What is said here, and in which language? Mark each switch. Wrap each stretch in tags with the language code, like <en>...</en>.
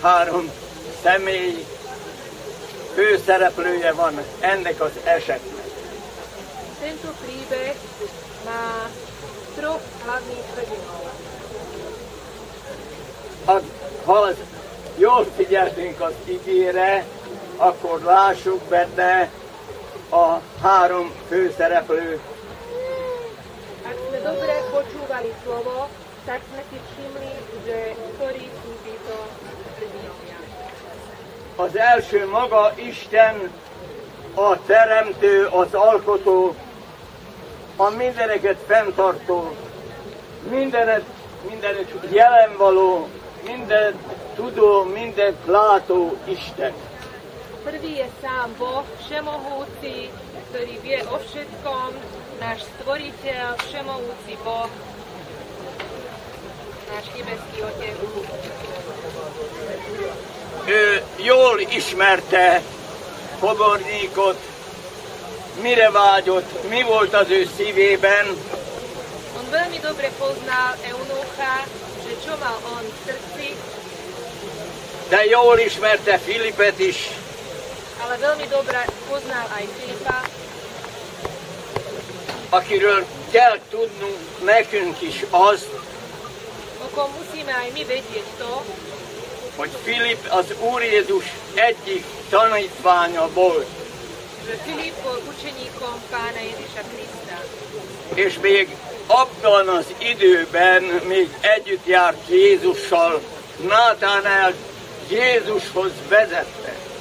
<hu>Három személy főszereplője van ennek az esetnek.</hu> <sk>Tento príbeh má troch hlavných hrdinov.</sk> <hu>Ha jól figyeltünk az igére, akkor lássuk benne a három főszereplőt.</hu> <sk>Ak sme dobre počúvali slovo, tak sme si všimli, že ktorí sú títo hrdinovia.</sk> <hu>Az első maga Isten, a teremtő, az alkotó, a mindeneket fenntartó, mindenet jelen való, mindent tudó, mindent látó Isten.</hu> <sk>Prvý je sám Boh, všemohúci, ktorý vie o všetkom, náš stvoriteľ, všemohúci Boh, náš nebeský Otec.</sk> <hu>Ő jól ismerte poborníkot, mire vágyott, mi volt az ő szívében.</hu> <sk>On veľmi dobre poznal Eunucha, že čo mal on v srdci.</sk> <hu>De jól ismerte Filipet is.</hu> <sk>Ale veľmi dobre poznal aj Filipa.</sk> <hu>Akiről kell tudnunk nekünk is az,</hu> <sk>o kom musíme aj mi vedieť to,</sk> <hu>hogy Filip az Úr Jézus egyik tanítványa volt.</hu> <sk>Filip bol učeníkom Pána Ježiša Krista.</sk> <hu>És még abban az időben még együtt járt Jézussal, Nátánál Jézushoz vezette.</hu>